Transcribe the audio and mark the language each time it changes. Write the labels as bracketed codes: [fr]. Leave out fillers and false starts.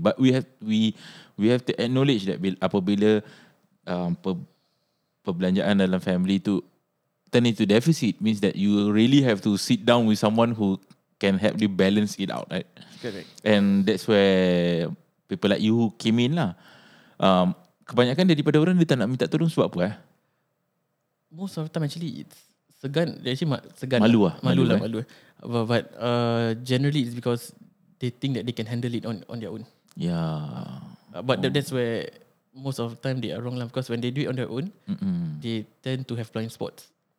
[en] But we have to acknowledge that [ms] apabila perbelanjaan dalam family tu [en] turn into deficit, means that you really have to sit down with someone who can help you balance it out, right? Correct. And that's where people like you came in lah. [ms] Kebanyakan daripada orang dia tak nak minta tolong sebab apa eh? [en] Most of the time actually it's segan, [ms] dia actually segan. Malu lah. Malu. [en] But generally it's because they think that they can handle it on their own. Yeah. That's where most of the time they are wrong lah. Because when they do it on their own, they tend to have blind spots.